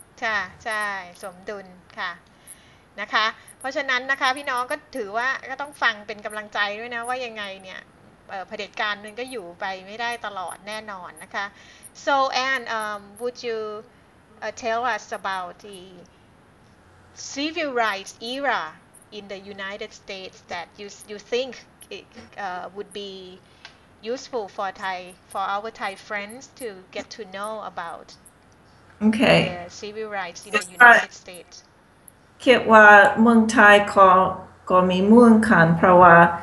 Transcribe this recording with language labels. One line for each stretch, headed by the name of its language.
Thai: ใช่ใช่สมดุลค่ะนะคะเพราะฉะนั้นนะคะพี่น้องก็ถือว่าก็ต้องฟังเป็นกำลังใจด้วยนะว่ายังไงเนี่ยเผด็จการมันก็อยู่ไปไม่ได้ตลอดแน่นอนนะคะ
English: So Anne, would you tell us about the civil rights era in the United States that you think? Would be useful for Thai for our Thai friends to get to know about. Okay. Civil rights in the United States.
Thai: คิดว่าเมืองไทยก็มีเมืองคันเพราะว่า